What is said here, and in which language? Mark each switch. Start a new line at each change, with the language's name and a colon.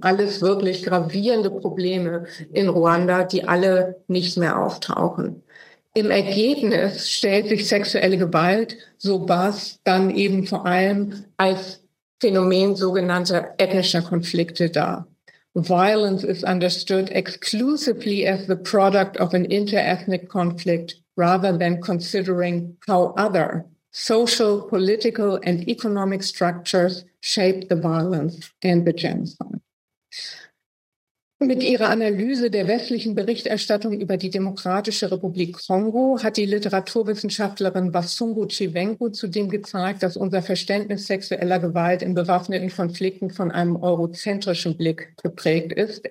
German: Alles wirklich gravierende Probleme in Ruanda, die alle nicht mehr auftauchen. Im Ergebnis stellt sich sexuelle Gewalt, so Buss, dann eben vor allem als Phänomen sogenannter ethnischer Konflikte dar.
English: Violence is understood exclusively as the product of an inter-ethnic conflict rather than considering how other social, political and economic structures shape the violence and the genocide.
German: Mit ihrer Analyse der westlichen Berichterstattung über die Demokratische Republik Kongo hat die Literaturwissenschaftlerin Basungu Chivengu zudem gezeigt, dass unser Verständnis sexueller Gewalt in bewaffneten Konflikten von einem eurozentrischen Blick geprägt ist.